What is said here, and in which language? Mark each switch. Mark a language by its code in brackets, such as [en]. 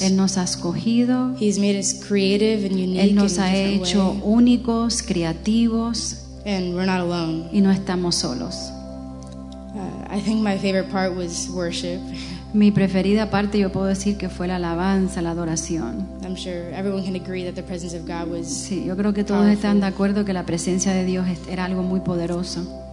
[es] Él nos ha escogido. [en] He's made us creative and unique. [es] Él nos [en] in [es] ha hecho [en] way. [es] Únicos, creativos. [en] And we're not alone. [es] Y no estamos solos. [en] I think my favorite part was worship. [es] Mi preferida parte yo puedo decir que fue la alabanza, la adoración. [en] I'm sure everyone can agree that the presence of God was. [es] Sí, yo creo que todos [en] powerful. [es] Están de acuerdo que la presencia de Dios era algo muy poderoso.